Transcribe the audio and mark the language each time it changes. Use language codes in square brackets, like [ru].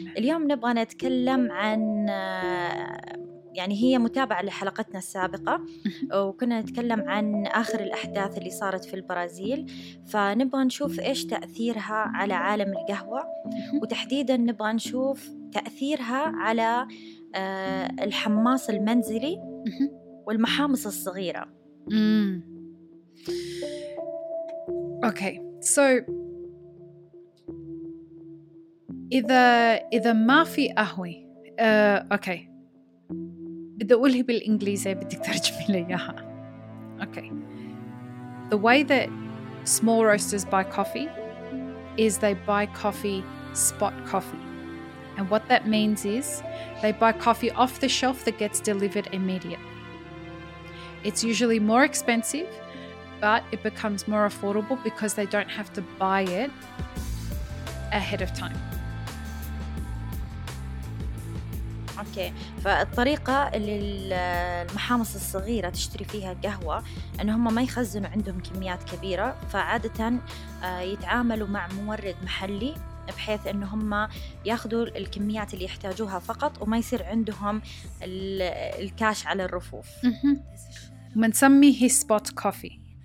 [ar] اليوم نبغى نتكلم عن، يعني هي متابعة لحلقتنا السابقة وكنا نتكلم عن آخر الأحداث اللي صارت في البرازيل، فنبغى نشوف إيش تأثيرها على عالم القهوة، وتحديدا نبغى نشوف تأثيرها على الحماص المنزلي والمحامص الصغيرة. [en] Okay, so [ar] إذا ما في قهوة، أوكي، بدي أقولها بالإنجليزية بدك ترجمي لي إياها. [en] Okay, the way that small roasters buy coffee is they buy coffee spot coffee, and what that means is they buy coffee off the shelf that gets delivered immediately. It's usually more expensive, but it becomes more affordable because they don't have to buy it ahead of time. [ar] أوكي، فالطريقة اللي المحامص الصغيرة تشتري فيها القهوة أن هم ما يخزنوا عندهم كميات كبيرة، فعادة يتعاملوا مع مورد محلي بحيث أن هم يأخذوا الكميات اللي يحتاجوها فقط وما يصير عندهم الكاش على الرفوف. منسميه spot coffee.